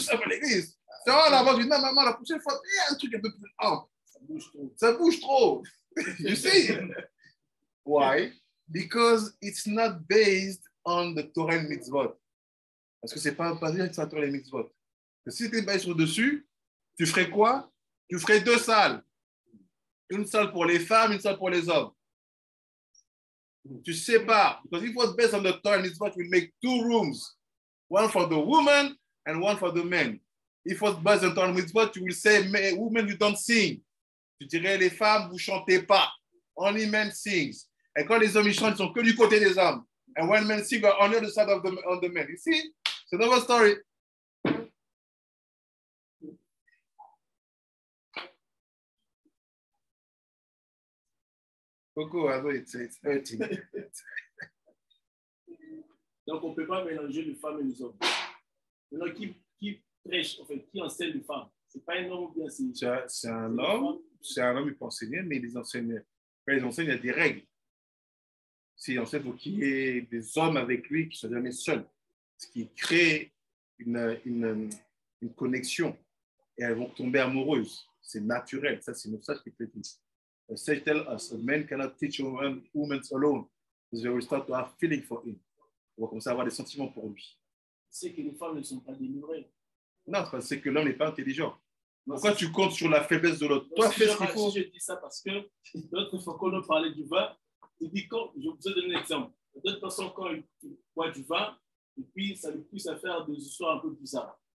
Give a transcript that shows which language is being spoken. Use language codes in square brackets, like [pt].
[fr] Ça va, l'église. Ça va, maman, la prochaine fois, il y a un truc un peu plus. Oh. Ça bouge trop. [en] You see? Why? Because it's not based on the Torah and mitzvot. [fr] Parce que c'est pas basé sur la Torah et mitzvot. Si c'était basé sur dessus, tu ferais quoi? Tu ferais 2 salles. Une salle pour les femmes, une salle pour les hommes. Tu sais pas, [en] because if it was based on the Torah and mitzvot, we make 2 rooms, one for the woman and one for the men. If it was based on the Torah and mitzvot, you will say, "Women, you don't sing." [fr] Tu dirais, les femmes, vous chantez pas. [en] Only men sings. [fr] Et quand les hommes chantent, ils sont que du côté des hommes. [en] And when men sing, they're on the other side of the on the men. You see, it's another story. Coucou, it's hurting. [fr] Donc, on ne peut pas mélanger les femmes et les hommes. Maintenant, qui prêche, en fait, qui enseigne les femmes? Ce n'est pas un homme ou bien c'est... C'est un homme, c'est un homme, il peut enseigner, mais les enseignants, quand ils enseignent, il y a des règles. S'il enseigne, il faut qu'il y ait des hommes avec lui qui ne soient jamais seuls. Ce qui crée une connexion. Et elles vont tomber amoureuses. C'est naturel, ça, c'est notre sage qui peut dire. [en] A sage tells us, a man cannot teach a woman alone, because they will start to have feeling for him. [fr] On va commencer à avoir des sentiments pour lui. C'est que les femmes ne sont pas démurées. Non, c'est parce que l'homme n'est pas intelligent. Pourquoi tu comptes sur la faiblesse de l'autre? Toi, fais ce qu'il faut. Si je dis ça parce que l'autre fois qu'on a parlé du vin, il dit quand, je vous donne un exemple. D'autres personnes, quand ils boivent du vin, et puis ça lui pousse à faire des histoires un peu bizarres.